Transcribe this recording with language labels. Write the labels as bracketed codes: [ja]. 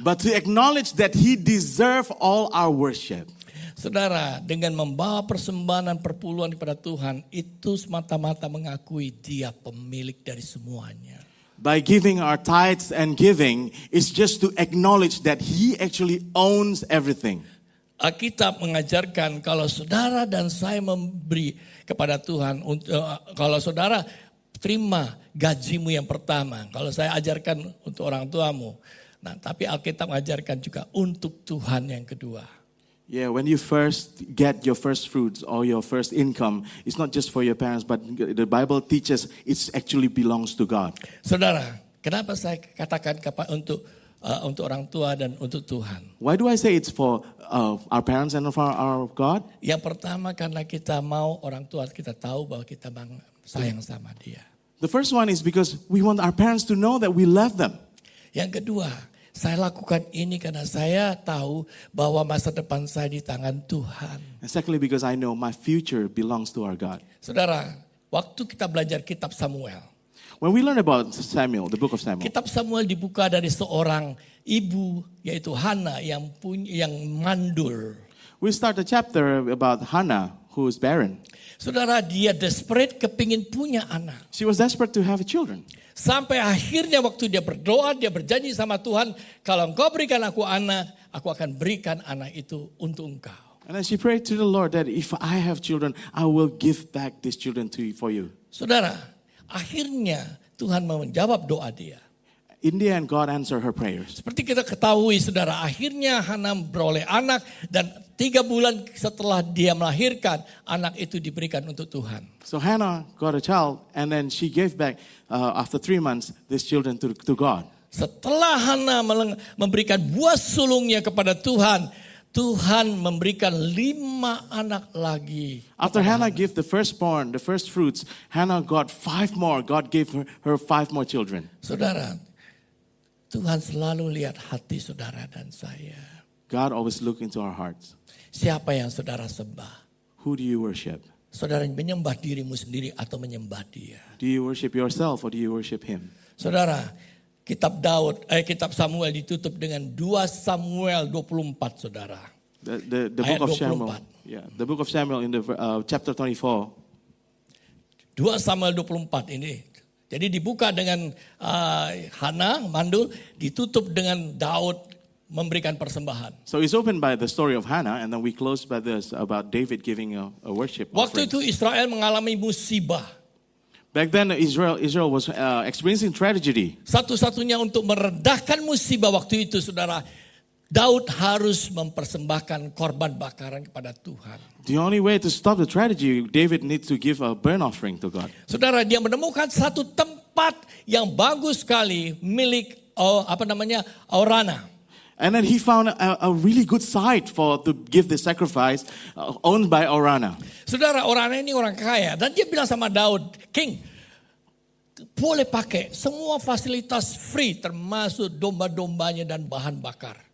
[en] But to acknowledge that he deserves all our worship. [id] Saudara, dengan membawa persembahan dan perpuluhan kepada Tuhan, itu semata-mata mengakui dia pemilik dari semuanya. [en] By giving our tithes and giving, it's just to acknowledge that he actually owns everything. [id] Alkitab mengajarkan kalau saudara dan saya memberi kepada Tuhan, kalau saudara terima gajimu yang pertama, kalau saya ajarkan untuk orang tuamu, nah tapi Alkitab mengajarkan juga untuk Tuhan yang kedua. [en] Yeah, when you first get your first fruits or your first income, it's not just for your parents, but the Bible teaches it actually belongs to God. [id] Saudara, kenapa saya katakan untuk orang tua dan untuk Tuhan? [en] Why do I say it's for our parents and for our God? [id] Yang pertama karena kita mau orang tua kita tahu bahwa kita sayang sama dia. [en] The first one is because we want our parents to know that we love them. [id] Yang kedua, saya lakukan ini karena saya tahu bahwa masa depan saya di tangan Tuhan. [en] Exactly because I know my future belongs to our God. [id] Saudara, waktu kita belajar kitab Samuel. [en] When we learn about Samuel, the book of Samuel. [id] Kitab Samuel dibuka dari seorang ibu yaitu Hana yang mandul. [en] We start a chapter about Hana who is barren. [id] Saudara, dia desperate kepingin punya anak. [en] She was desperate to have children. [id] Sampai akhirnya waktu dia berdoa, dia berjanji sama Tuhan, kalau engkau berikan aku akan berikan anak itu untuk engkau. [en] And then she prayed to the Lord that if I have children, I will give back these children to you, for you. [id] Saudara, akhirnya Tuhan menjawab doa dia. [en] India and God answer her prayers. [id] Seperti kita ketahui, saudara, akhirnya Hana beroleh anak dan 3 bulan setelah dia melahirkan, anak itu diberikan untuk Tuhan. [en] So Hannah got a child and then she gave back after 3 months this children to God. [id] Setelah Hannah memberikan buah sulungnya kepada Tuhan, Tuhan memberikan 5 anak lagi. [en] After Hannah gave the firstborn, the first fruits, Hannah got 5 more. God gave her 5 more children. [id] Saudara, Tuhan selalu lihat hati saudara dan saya. [en] God always look into our hearts. [id] Siapa yang saudara sembah? [en] Who do you worship? [id] Saudara menyembah dirimu sendiri atau menyembah dia? [en] Do you worship yourself or do you worship him? [id] Saudara, kitab Daud, kitab Samuel ditutup dengan 2 Samuel 24, saudara. [en] The book of Samuel. Yeah, the book of Samuel in the chapter 24. [id] 2 Samuel 24 ini. Jadi dibuka dengan Hana mandul, ditutup dengan Daud memberikan persembahan. [en] So it's opened by the story of Hannah, and then we close by this about David giving a worship. [id] Waktu itu Israel mengalami musibah. [en] Back then Israel was experiencing tragedy. [id] Satu-satunya untuk meredakan musibah waktu itu, saudara, Daud harus mempersembahkan korban bakaran kepada Tuhan. [en] The only way to stop the tragedy, David needs to give a burnt offering to God. [id] Saudara, dia menemukan satu tempat yang bagus sekali milik Orana. [en] And then he found a really good site for to give the sacrifice owned by Orana. [id] Saudara, Orana ini orang kaya dan dia bilang sama Daud, King, boleh pakai semua fasilitas free termasuk domba-dombanya dan bahan bakar.